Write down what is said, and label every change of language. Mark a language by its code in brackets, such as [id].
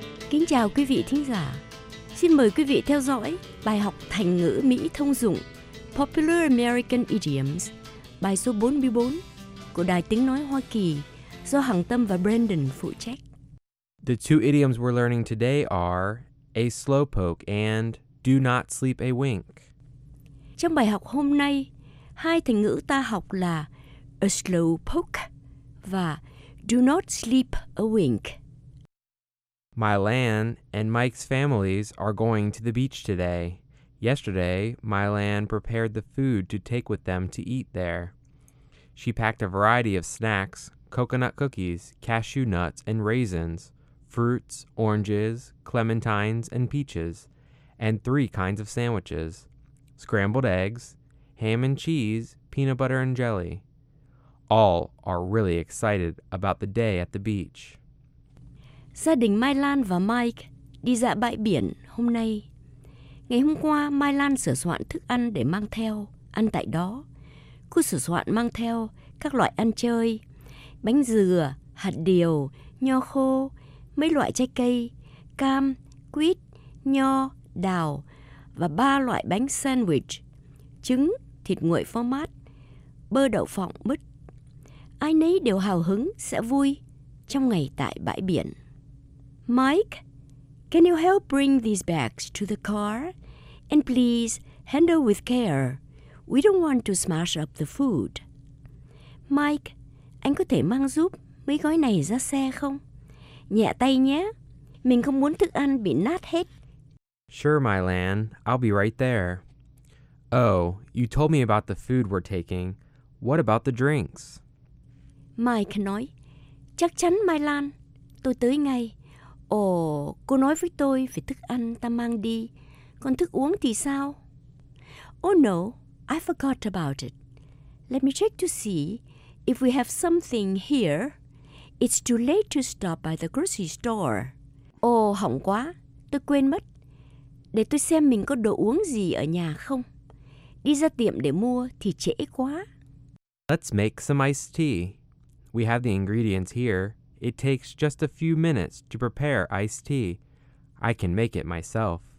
[vi] Kính chào quý vị thính giả. Xin mời quý vị theo dõi bài học thành ngữ Mỹ thông dụng Popular American Idioms, bài số 44 của Đài Tiếng Nói Hoa Kỳ do Hằng Tâm và Brandon phụ trách. [en] The two idioms we're learning today are a slowpoke and do not sleep a wink. [vi] Trong bài học hôm nay, hai thành ngữ ta học là a slowpoke và [en] do not sleep a wink. Mylan and Mike's families are going to the beach today. Yesterday, Mylan prepared the food to take with them to eat there. She packed a variety of snacks, coconut cookies, cashew nuts and raisins, fruits, oranges, clementines and peaches, and 3 kinds of sandwiches, scrambled eggs, ham and cheese, peanut butter and jelly. All are really excited about the day at the beach. [vi] Gia đình Mai Lan và Mike đi dạo bãi biển hôm nay. Ngày hôm qua, Mai Lan sửa soạn thức ăn để mang theo, ăn tại đó. Cô sửa soạn mang theo các loại ăn chơi, bánh dừa, hạt điều, nho khô, mấy loại trái cây, cam, quýt, nho, đào và 3 loại bánh sandwich, trứng, thịt nguội phô mát, bơ đậu phộng mứt. Ai nấy đều hào hứng sẽ vui trong ngày tại bãi biển. [en] Mike, can you help bring these bags to the car? And please handle with care. We don't want to smash up the food. [vi] Mike, anh có thể mang giúp mấy gói này ra xe không? Nhẹ tay nhé. Mình không muốn thức ăn bị nát hết. [en] Sure, my Lan. I'll be right there. Oh, you told me about the food we're taking. What about the drinks? [vi] Mike nói, chắc chắn Mai Lan, tôi tới ngay. Ồ, cô nói với tôi về thức ăn ta mang đi. Còn thức uống thì sao? [en] Oh no, I forgot about it. Let me check to see if we have something here. It's too late to stop by the grocery store. [vi] Ồ, hỏng quá, tôi quên mất. Để tôi xem mình có đồ uống gì ở nhà không. Đi ra tiệm để mua thì trễ quá. [en] Let's make some iced tea. We have the ingredients here. It takes just a few minutes to prepare iced tea. I can make it myself.